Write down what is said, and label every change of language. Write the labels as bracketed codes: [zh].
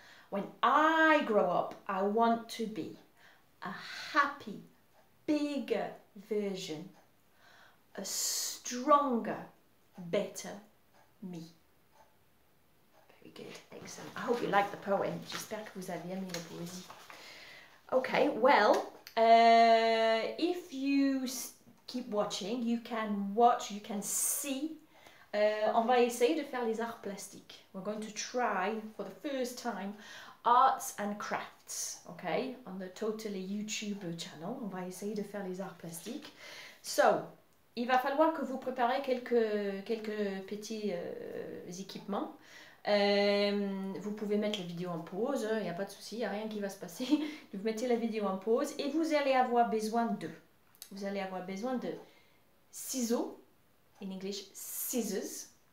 [en] When I grow up, I want to be a happy, bigger version, a stronger, better me. Very good, excellent. I hope you like the poem. [fr] J'espère que vous avez aimé la poésie. [en] Okay, well, if you keep watching, you can watch, you can see [fr] On va essayer de faire les arts plastiques. [en] We're going to try, for the first time, arts and crafts, okay? On the Totally YouTube channel, [fr] on va essayer de faire les arts plastiques. So, il va falloir que vous préparez quelques petits équipements. Vous pouvez mettre la vidéo en pause, il n'y a pas de souci, il n'y a rien qui va se passer. Vous mettez la vidéo en pause et vous allez avoir besoin de... Vous allez avoir besoin de ciseaux, [en] in English, scissors.